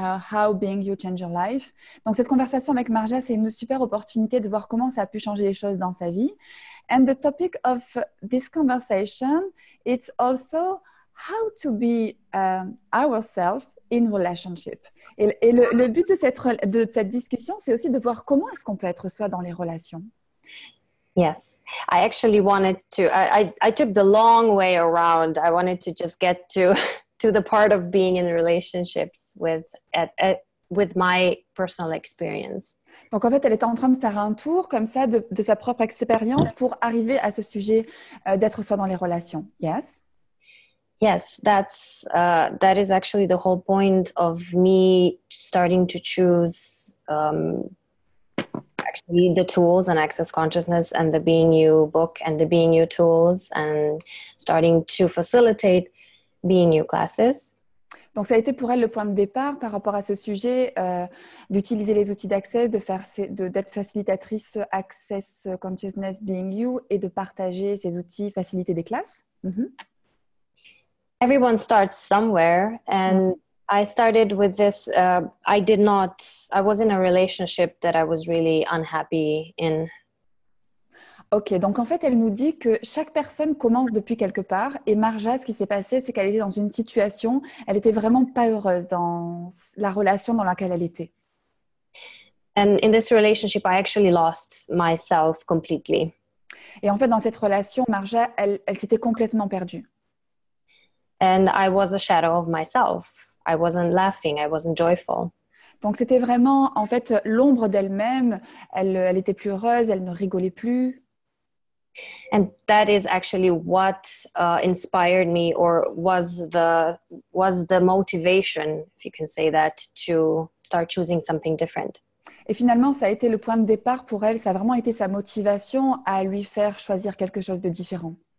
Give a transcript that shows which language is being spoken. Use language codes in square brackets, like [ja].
[en] How Being You Change Your Life. [fr] Donc, cette conversation avec Marja, c'est une super opportunité de voir comment ça a pu changer les choses dans sa vie. [en] And the topic of this conversation, it's also how to be ourselves in relationship. [fr] Et le but de cette discussion, c'est aussi de voir comment est-ce qu'on peut être soi dans les relations. [en] Yes, I actually wanted to, I took the long way around. I wanted to just get to the part of being in relationships with my personal experience. [fr] Donc en fait, elle était en train de faire un tour comme ça de sa propre expérience pour arriver à ce sujet d'être soi dans les relations. [en] Yes? Yes, that is actually the whole point of me starting to choose actually the tools and Access Consciousness and the Being You book and the Being You tools and starting to facilitate Being You classes. [fr] Donc ça a été pour elle le point de départ par rapport à ce sujet d'utiliser les outils d'Access, d'être facilitatrice Access Consciousness Being You et de partager ces outils, faciliter des classes. Mm-hmm. [en] Everyone starts somewhere, and I started with this. I was in a relationship that I was really unhappy in. [fr] Ok, donc en fait, elle nous dit que chaque personne commence depuis quelque part, et Marja, ce qui s'est passé, c'est qu'elle était dans une situation, elle était vraiment pas heureuse dans la relation dans laquelle elle était. [en] And in this relationship, I actually lost myself completely. [fr] Et en fait, dans cette relation, Marja, elle s'était complètement perdue. [en] And I was a shadow of myself. I wasn't laughing. I wasn't joyful. [fr] Donc c'était vraiment en fait l'ombre d'elle-même. Elle était plus heureuse. Elle ne rigolait plus. [en] And that is actually what inspired me, or was the motivation, if you can say that, to start choosing something different. [fr] Et finalement, ça a été le point de départ pour elle. Ça a vraiment été sa motivation à lui faire choisir quelque chose de différent.